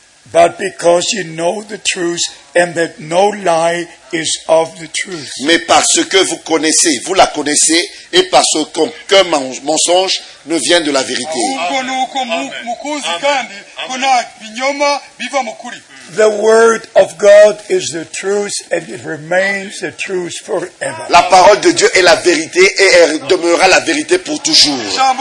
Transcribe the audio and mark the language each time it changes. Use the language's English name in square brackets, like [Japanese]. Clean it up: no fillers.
[English] But because you know the truth and that no lie is of the truth. [French] Mais parce que vous connaissez, vous la connaissez, et parce qu'aucun mensonge ne vient de la vérité. Amen. Amen. Amen. Amen. [English] The word of God is the truth and it remains the truth forever. [French] La parole de Dieu est la vérité et elle demeurera la vérité pour toujours.